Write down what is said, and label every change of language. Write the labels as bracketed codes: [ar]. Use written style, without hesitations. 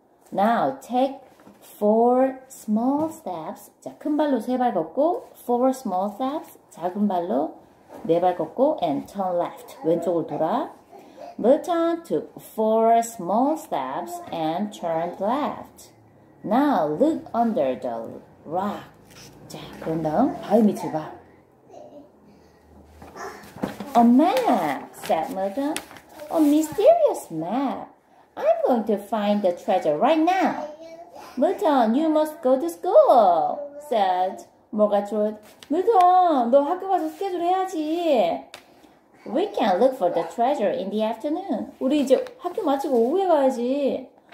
[en] Now take four small steps. [ko] 자, 큰 발로 세 발 걷고, [en] four small steps. [ko] 작은 발로 네 발 걷고, [en] and turn left. [ko] 왼쪽을 돌아. [en] Milton took four small steps and turned left. Now look under the rock. [ko] 자, 그런 다음 바위 밑을 봐. [en] A map, said Milton. A mysterious map. I'm going to find the treasure right now. Milton, you must go to school, said Murgatroyd. [ko] Milton, 너 학교 가서 스케줄 해야지. [en] We can look for the treasure in the afternoon. [ko] 우리 이제 학교 마치고 오후에 가야지.